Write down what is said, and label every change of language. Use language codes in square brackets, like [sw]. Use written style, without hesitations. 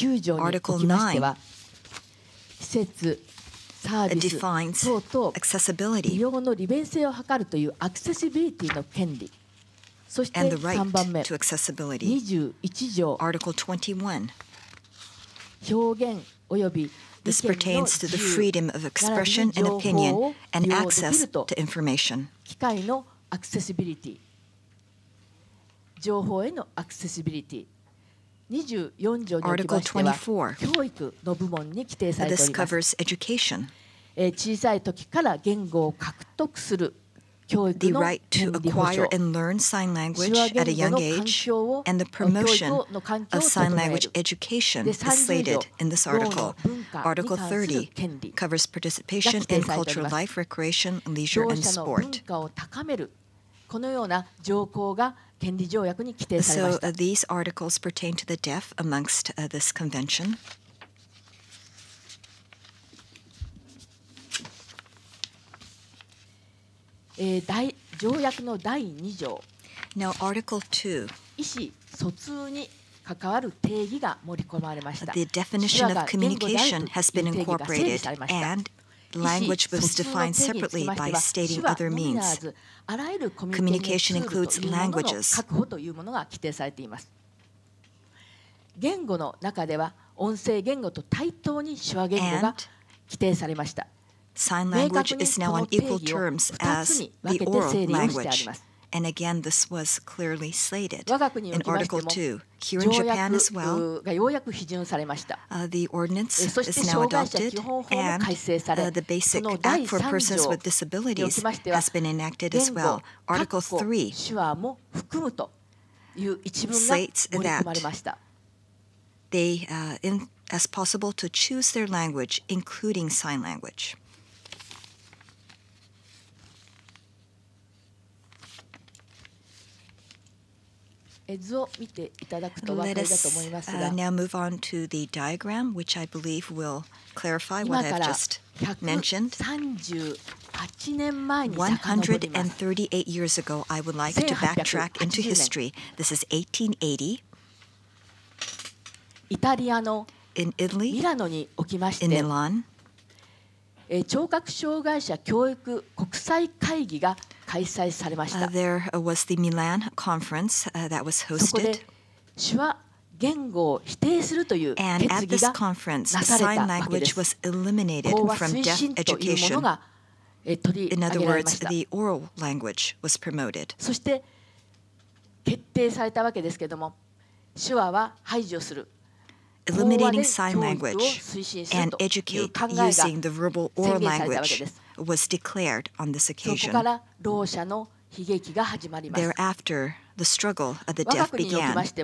[en] Article 9, it defines accessibility and the right to accessibility. Article 21, [ja] 表現および [en] This pertains to the freedom of expression and opinion and access to information. [ja] 機械のアクセシビリティ、情報へのアクセシビリティ。 [en] Article 24. This covers education. The right to acquire and learn sign language at a young age and the promotion of sign language education is slated in this article. Article 30 covers participation in cultural life, recreation, leisure, and sport. [ja] このような条項が権利条約に規定されました。 [en] So, these articles pertain to the deaf amongst, this convention. [ja] 条約の第2条。 [en] Now, Article 2. [ja] 意思疎通に関わる定義が盛り込まれました。 [en] The definition of communication has been incorporated andLanguage was defined separately by stating other means. Communication includes languages. [ja] 確保というものが規定されています。言語の中では音声言語と対等に手話言語が規定されました。 [en] Sign language is now on equal terms as the oral language. And again, this was clearly stated in Article 2. Here in Japan as well, the ordinance is now adopted, and the Basic Act for Persons with Disabilities has been enacted as well. Article 3 states that they, in, as possible to choose their language, including sign language. [ja] 図を見ていただくと分かるかと思いますが、 [en] Let us, now move on to the diagram, which I believe will clarify what I've just mentioned. [ja] 138 年前に遡ります。 [en] 138 years ago, I would like to backtrack into history. This is 1880. [ja] イタリアの [en] in Italy, [ja] ミラノにおきまして、 [en] in Milan, [ja] 聴覚障害者教育国際会議が [en] There was the Milan conference that was hosted. And at this conference, sign language was eliminated from deaf education. In other words, the oral language was promoted. [ja] そして決定されたわけですけれども、手話は排除する。 [en] Eliminating sign language and educate using the verbal oral language was declared on this occasion. Thereafter, the struggle of the deaf began.